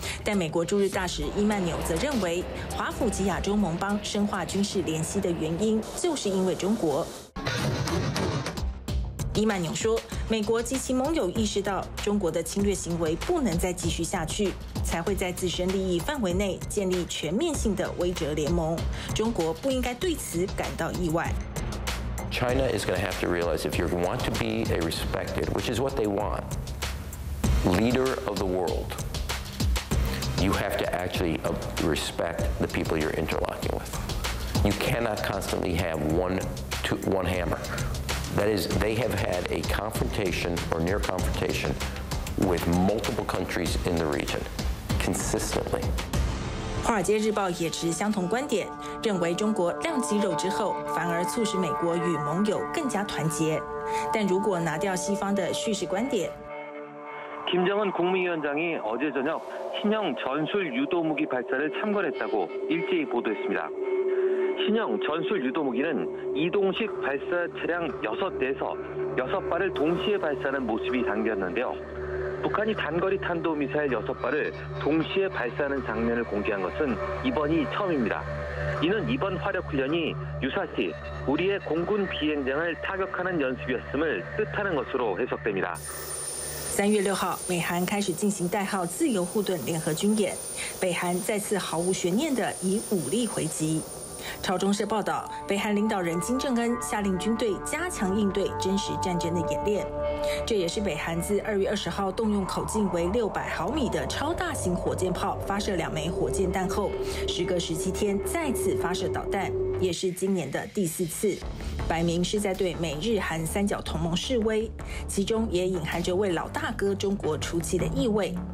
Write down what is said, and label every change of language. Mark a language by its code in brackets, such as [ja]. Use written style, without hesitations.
[zh] 但美国驻日大使伊曼纽则认为，华府及亚洲盟邦深化军事联系的原因就是因为中国。伊曼纽说，美国及其盟友意识到中国的侵略行为不能再继续下去，才会在自身利益范围内建立全面性的威慑联盟。中国不应该对此感到意外。 [en] China is going to have to realize if you want to be a respected, which is what they want, leader of the world, you have to actually respect the people you're interlocking with. You cannot constantly have one hammer. That is, they have had a confrontation or near confrontation with multiple countries in the region consistently. [zh] 华尔街日报也持相同观点，认为中国亮肌肉之后，反而促使美国与盟友更加团结。但如果拿掉西方的叙事观点， [ko] 김정은국무위원장이어제저녁신형전술유도무기발사를참관했다고일제히보도했습니다 신형 전술 유도무기는 이동식 발사 차량 6대에서 6발을 동시에 발사하는 모습이 담겼는데요. 북한이 단거리 탄도미사일 6발을 동시에 발사하는 장면을 공개한 것은 이번이 처음입니다. 이는 이번 화력훈련이 유사시 우리의 공군 비행장을 타격하는 연습이었음을 뜻하는 것으로 해석됩니다. [zh] 3月6号，美韩开始进行代号“自由护盾”联合军演，北韩再次毫无悬念地以武力回击。朝中社报道，北韩领导人金正恩下令军队加强应对真实战争的演练，这也是北韩自2月20号动用口径为600毫米的超大型火箭炮发射两枚火箭弹后，时隔17天再次发射导弹，也是今年的第四次，摆明是在对美日韩三角同盟示威，其中也隐含着为老大哥中国出气的意味。